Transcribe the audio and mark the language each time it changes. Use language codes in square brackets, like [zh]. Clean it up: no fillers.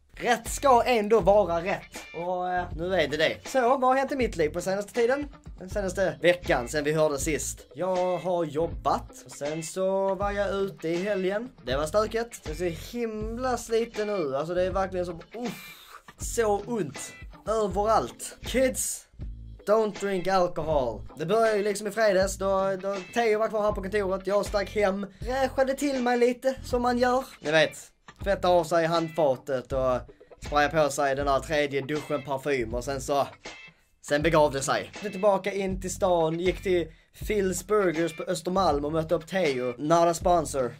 [sv] Rätt ska ändå vara rätt. Och nu är det det. Så, vad har hänt i mitt liv på senaste tiden? Den senaste veckan sen vi hörde sist. Jag har jobbat. Och sen så var jag ute i helgen. Det var stökigt. Det ser himla sliten nu. Alltså det är verkligen som... så ont. Överallt. [en] Kids, don't drink alcohol. [sv] Det började ju liksom i fredags. Då Theo var kvar här på kontoret. Jag stack hem. Räschade till mig lite som man gör. Ni vet. Tvättade av sig handfatet. Och sprayade på sig den där tredje duschen parfym. Och sen så... sen begav det sig. Gick tillbaka in till stan, gick till Phil's Burgers på Östermalm och mötte upp Theo. [en] Not a sponsor.